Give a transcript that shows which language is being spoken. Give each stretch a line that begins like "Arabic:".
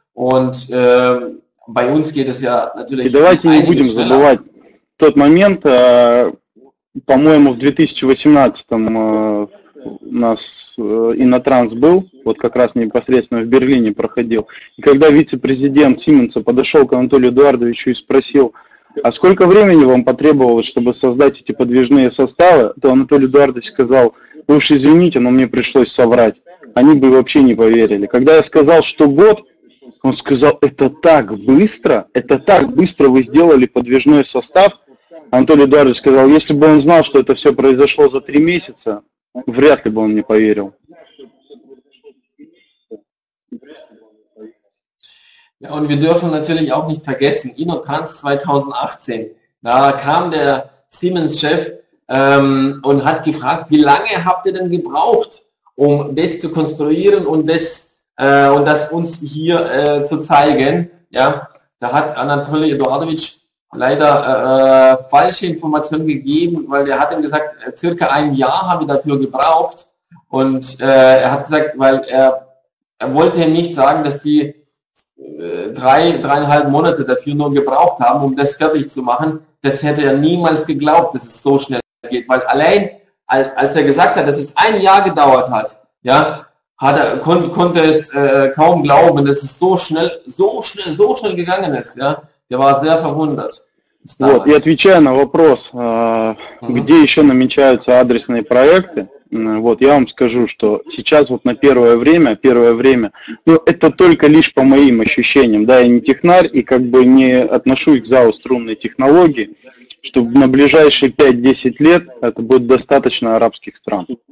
German: Und bei uns geht es ja natürlich einiges schneller.
Russian: В тот момент, по-моему, в 2018-м у нас Инотранс был, вот как раз непосредственно в Берлине проходил. И когда вице-президент Сименса подошел к Анатолию Эдуардовичу и спросил, а сколько времени вам потребовалось, чтобы создать эти подвижные составы, то Анатолий Эдуардович сказал, вы уж извините, но мне пришлось соврать. Они бы вообще не поверили. Когда я сказал, что год, он сказал, это так быстро вы сделали подвижной состав. Анатолий Эдуардович сказал, если бы он знал, что это все произошло за 3 месяца, вряд ли бы он не поверил.
German: Ja, und wir dürfen natürlich auch nicht vergessen, InnoTrans 2018, da kam der Siemens-Chef und hat gefragt, wie lange habt ihr denn gebraucht, um das zu konstruieren und das uns hier zu zeigen? Ja, da hat Anatolij Eduardovic leider falsche Informationen gegeben, weil er hat ihm gesagt, circa ein Jahr haben wir dafür gebraucht und er hat gesagt, weil er wollte ihm nicht sagen, dass die 3,5 Monate dafür nur gebraucht haben, um das fertig zu machen. Das hätte er niemals geglaubt, dass es so schnell geht, weil allein als er gesagt hat, dass es ein Jahr gedauert hat, ja, konnte es kaum glauben, dass es so schnell gegangen ist, ja.
Russian: Я вас я
German: verwundert.
Russian: Вот, и отвечая на вопрос, где еще намечаются адресные проекты, Вот я вам скажу, что сейчас вот на первое время, ну это только лишь по моим ощущениям, да, я не технарь и как бы не отношусь к ЗАО «Струнные технологии», что на ближайшие 5-10 лет это будет достаточно арабских стран.